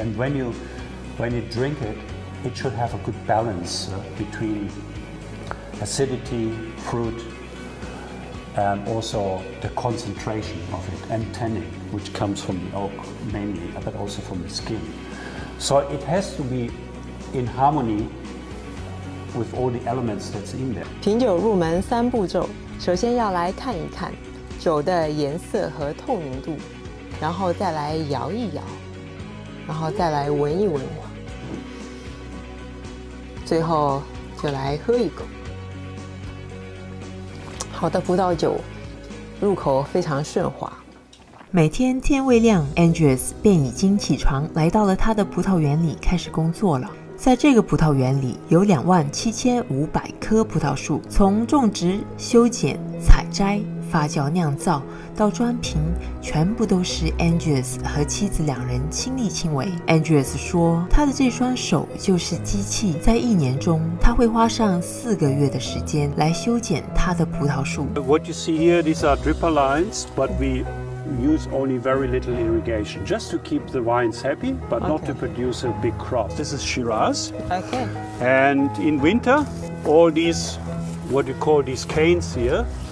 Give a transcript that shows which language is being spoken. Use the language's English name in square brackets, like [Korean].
[English] And when you drink it, it should have a good balance between acidity, fruit, and also the concentration of it, and tannin, which comes from the oak mainly, but also from the skin. So it has to be in harmony with all the elements that's in there. [Chinese] 品酒入门三步骤，首先要来看一看酒的颜色和透明度，然后再来摇一摇，然后再来闻一闻，最后就来喝一口。好的葡萄酒入口非常顺滑。每天天未亮， Andreas 便已经起床来到了他的葡萄园里开始工作了。在这个葡萄园里有27500棵葡萄树，从种植、修剪、采摘、发酵、酿造到装瓶，全部都是 Andreas 和妻子两人亲力亲为。 Andreas 说，他的这双手就是机器，在一年中他会花上4个月的时间来修剪他的葡萄树。 [English] What you see here, these are dripper lines, but we use only very little irrigation just to keep the vines happy, but not to produce a big crop. This is Shiraz. And in winter, all these, what you call these canes here,